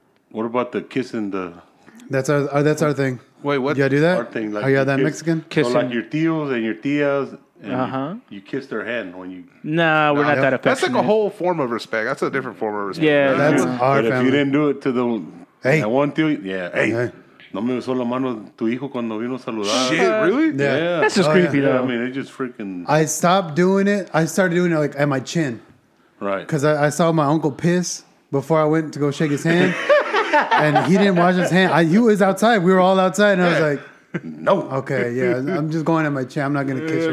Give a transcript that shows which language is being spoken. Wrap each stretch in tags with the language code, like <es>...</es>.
<en>What about the kissing the. That's our thing. Wait, what? You got to do that? Our thing. Like are you that kiss, Mexican? Kissing. So like your tios and your tias. You kiss their hand when you. Not that affectionate. That's like a whole form of respect. That's a different form of respect. Yeah, that's our but family. If you didn't do it to the. Hey. I want to. Yeah. Hey.</en> <es>No me besó la mano tu hijo cuando vino a saludar.</es> <en>Shit, really? Yeah. That's just creepy, though. Yeah, I mean, it just freaking. I stopped doing it. I started doing it like at my chin. Right. Because I saw my uncle piss before I went to go shake his hand. And he didn't wash his hand. He was outside. We were all outside. And I was like. No. Okay, yeah. I'm just going at my chair. I'm not going to kiss your</en>